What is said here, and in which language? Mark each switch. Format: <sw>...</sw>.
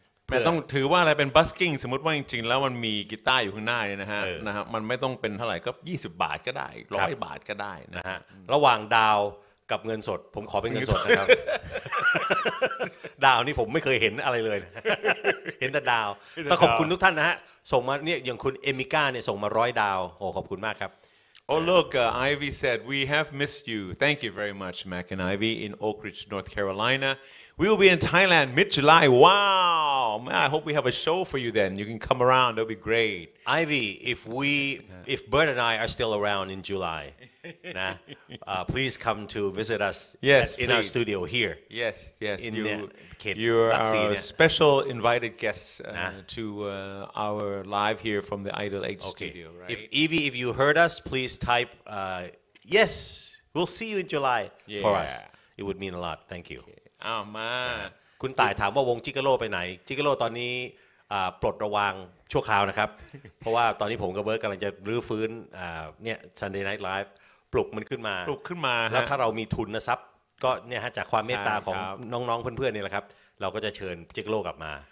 <th>แต่ต้องถือว่าอะไรเป็นบัสกิ้งสมมติว่าจริงๆแล้วมันมีกีตาร์อยู่ข้างหน้าเนี่ยนะฮะนะฮะมันไม่ต้องเป็นเท่าไหร่ก็20บาทก็ได้100บาทก็ได้นะฮะ ระหว่างดาวกับเงินสดผมขอเป็นเงินสดนะครับ ดาวนี่ผมไม่เคยเห็นอะไรเลยนะ เห็นแต่ดาวแต่ขอบคุณทุกท่านนะฮะส่งมาเนี่ยอย่างคุณเอมิก้าเนี่ยส่งมา100ดาวโอ้ขอบคุณมากครับ</th> <en>Oh look Ivy said we have missed you thank you very much Mac and Ivy in Oak Ridge North Carolina we will be in Thailand mid July wow Man, I hope we have a show for you then you can come around that'll be great Ivy if we if Bert and I are still around in JulyNa, please come to visit us yes, in our studio here. Yes, yes. You are our special invited guest to our live here from the Idol Age okay. studio. Right? If Evie, if you heard us, please type yes. We'll see you in July yeah. for us. It would mean a lot. Thank you. Okay. Oh, man.</en> <th>คุณต่ายถามว่าวงจิกาโลไปไหนจิกาโลตอนนี้ปลดระวังชั่วคราวนะครับเพราะว่าตอนนี้ผมกับเบิร์ดกำลังจะรื้อฟื้นเนี่ย Sunday Night Live ปลุกมันขึ้นมา ปลุกขึ้นมา แล้วถ้าเรามีทุนนะครับก็เนี่ยฮะจากความเมตตาของน้องๆเพื่อนๆ นี่แหละครับเราก็จะเชิญจิกโลกลับมา</th>